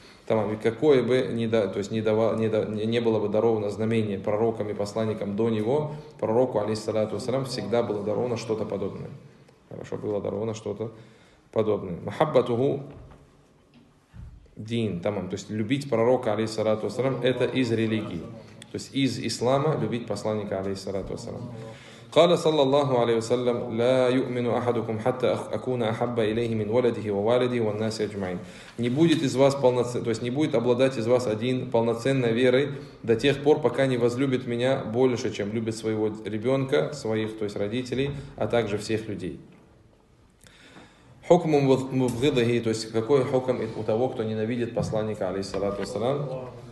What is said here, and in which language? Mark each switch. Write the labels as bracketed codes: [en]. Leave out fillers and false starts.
[ru] Тамам, и какое бы не было бы даровано знамение пророкам и посланникам до него, пророку, алейхиссалату вассалам, всегда было даровано что-то подобное. Хорошо, было даровано что-то подобное. [ar] Махаббатуху дин, [ru] тамам, то есть любить пророка, алейхиссалату вассалам, это из религии. То есть из ислама любить посланника, алейхиссалату вассалам. [ar] قال صلى الله عليه وسلم لا يؤمن احدكم حتى اكون احب اليه من ولده ووالده والناس اجمعين. [ru] Не будет из вас полноценной, то есть не будет обладать из вас один полноценной верой до тех пор, пока не возлюбит меня больше, чем любит своего ребенка, своих, то есть родителей, а также всех людей. [ar] حكم مبغضه, [ru] то есть какой хукм у того, кто ненавидит посланника, алейхиссалату вассалам?